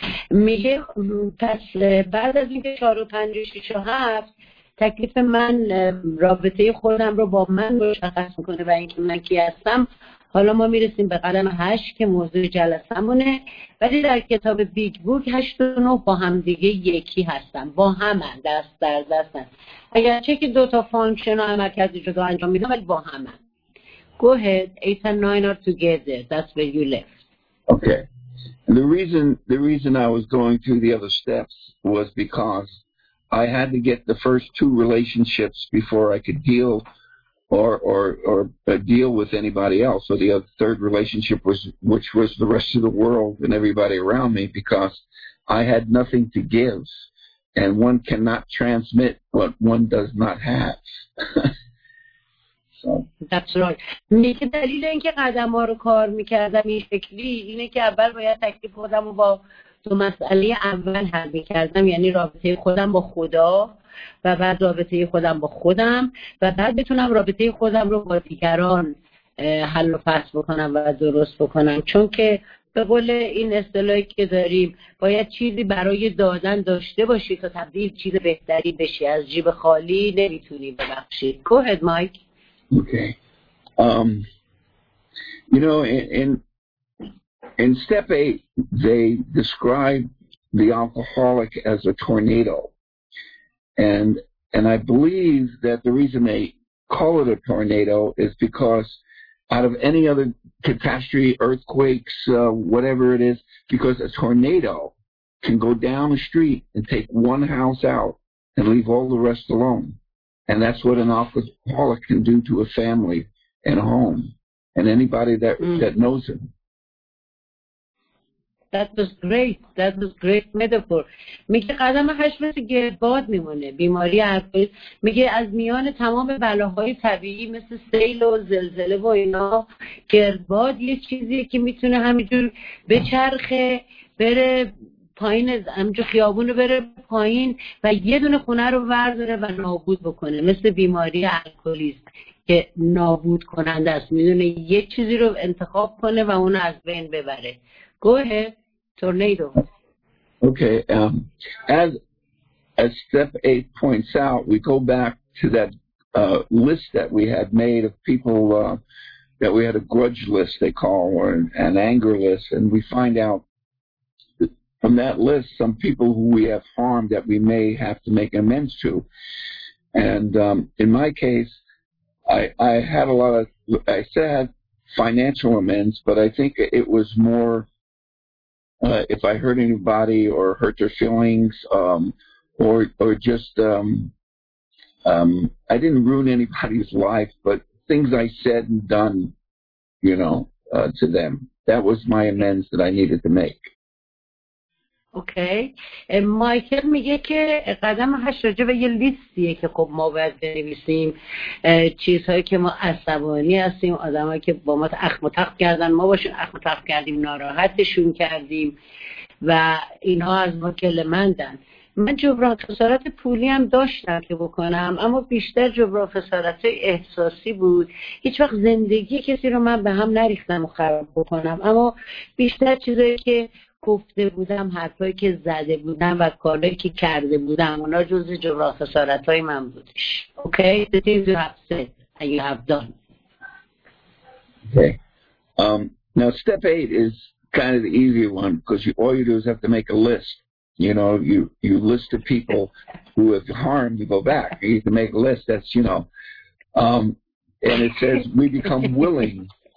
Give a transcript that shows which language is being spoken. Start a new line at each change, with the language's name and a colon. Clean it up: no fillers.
Persian: میگه پس بعد از اینکه 4, 5, 6, و 7 تکلیف من رابطه خودم رو با من مشخص میکنه و اینکه من کی هستم، حالا ما میرسیم به قلم 8 که موضوع جلسه‌مونه، ولی در کتاب بیگ بوک 8 و 9 با هم دیگه یکی هستن، با هم دست در دست هستن، اگرچه که دو تا فانکشن و عملکرد جدا انجام میدن ولی با هم.
English: Go ahead. 8 and 9 are together. That's where you left. Okay. And the reason I was going through the other steps was because I had to get the first two relationships before I could deal or deal with anybody else. So the third relationship was, which was the rest of the world and everybody around me, because I had nothing to give, and one cannot transmit what one does not have. That's right.
Persian: میگه دلیل اینکه قدم‌ها رو کار می‌کردم این شکلی اینه که اول باید تکلیف خودم رو با تو مسئله اول حل می‌کردم، یعنی رابطه خودم با خدا و بعد رابطه خودم با خودم و بعد بتونم رابطه خودم رو با دیگران حل و فصل بکنم و درست بکنم، چون که به قول این اصطلاحی که داریم باید چیزی برای دادن داشته باشی تا تبدیل چیز بهتری بشی، از جیب خالی نمیتونی ببخشی.
English: Go ahead, Mike. Okay. You know, in step 8, they describe the alcoholic as a tornado. And I believe that the reason they call it a tornado is because out of any other catastrophe, earthquakes, whatever it is, because a tornado can go down the street and take one house out and leave all the rest alone. And that's what an alcoholic can do to a family and a home and anybody that knows him. That was great. That was great metaphor.
Persian: میگه قدم هشت مثل گردباد میمونه. بیماری عرفی میگه از میان تمام بلاهای طبیعی مثل سیل و زلزله و اینا، گردباد یه چیزیه که میتونه همینجور بچرخه بره پایین، همینجور خیابون رو بره پایین و یه دونه خونه رو برداره و نابود بکنه، مثل بیماری الکلیسم که نابود کننده است. میدونه یه چیزی رو انتخاب کنه و اون از بین ببره.
English: Go ahead, tornado. Okay, as step eight points out, we go back to that list that we had made of people that we had a grudge list, they call, or an anger list, and we find out from that list some people who we have harmed that we may have to make amends to. And in my case, I said financial amends, but I think it was more if I hurt anybody or hurt their feelings, or just I didn't ruin anybody's life, but things I said and done, you know, to them. That was my amends that I needed to make.
Persian: اوکی مایکل میگه که قدم هشت راجع به یه لیستیه که خب ما باید بنویسیم چیزهایی که ما عصبانی هستیم، آدمایی که با ما اخم و تخم کردن، ما باشون اخم و تخم کردیم، ناراحتشون کردیم و اینها از ما کلمندن. من جبران خسارت پولی هم داشتم که بکنم، اما بیشتر جبران خسارت احساسی بود. هیچ وقت زندگی کسی رو من به هم نریختم و خراب بکنم، اما بیشتر چیزایی که گفته بودم، حرفایی که زده بودم و کارهایی که کرده بودم، اونا جز جبران خسارت های من بودش.
English: Okay, the things you have said and you have done. Okay. Now step eight is kind of the easy one because all you do is have to make a list. You know, you list the people who have harmed you, go back. You need to make a list. That's, you know. And it says we become willing.